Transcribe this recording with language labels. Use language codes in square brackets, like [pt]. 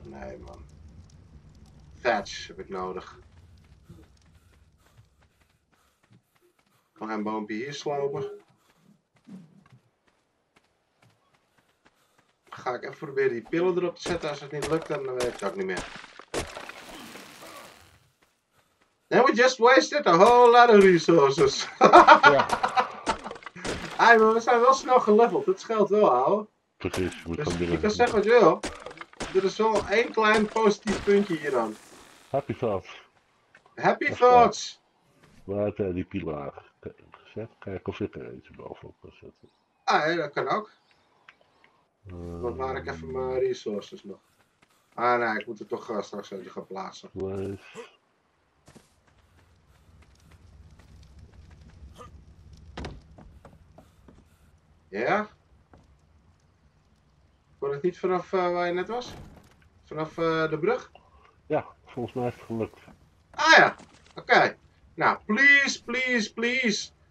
[nl] Nee, man. Thatch heb ik nodig. Kan een boompje hier slopen. Ga ik even proberen die pillen erop te zetten. Als het niet lukt, dan weet ik het ook niet meer. [en] Then we just wasted a whole lot of resources. [nl] Hey, maar we zijn wel snel geleveld, dat scheelt wel, ouwe. Precies, je moet dus, gaan binnen. Ik kan zeggen wat je wil. Er is wel één klein positief puntje hier dan. [en] Happy thoughts. Happy thoughts! [nl] Laat die pilaar gezet. Kijk of ik er eentje bovenop kan zetten. Ah, ja, dat kan ook. Dan waar ik even mijn resources nog. Ah nee, ik moet er toch straks eentje gaan plaatsen. [en] Nice. [nl] Ja? Kon het niet vanaf waar je net was? Vanaf de brug? Ja, volgens mij is het gelukt. Ah ja, oké. [en] Nou, please, please, please.